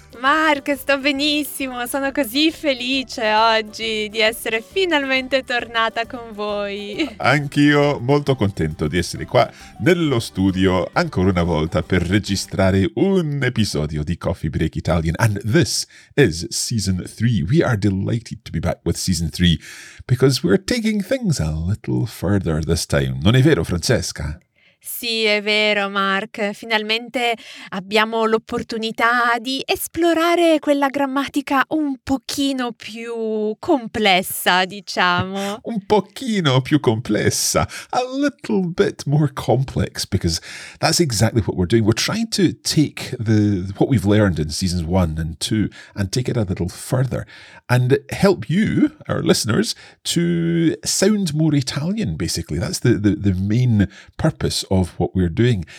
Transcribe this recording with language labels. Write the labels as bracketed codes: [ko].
[it] Mark, sto benissimo, sono così felice oggi di essere finalmente tornata con voi. Anch'io molto contento di essere qua nello studio ancora una volta per registrare un episodio di Coffee Break Italian. [en] And this is season 3. We are delighted to be back with season 3 because we're taking things a little further this time. [it] Non è vero, Francesca? Sì, è vero, Mark. Finalmente abbiamo l'opportunità di esplorare quella grammatica un pochino più complessa, diciamo. Un pochino più complessa. [en] A little bit more complex, because that's exactly what we're doing. We're trying to take what we've learned in seasons 1 and 2 and take it a little further and help you, our listeners, to sound more Italian, basically. That's the main purpose of what we're doing.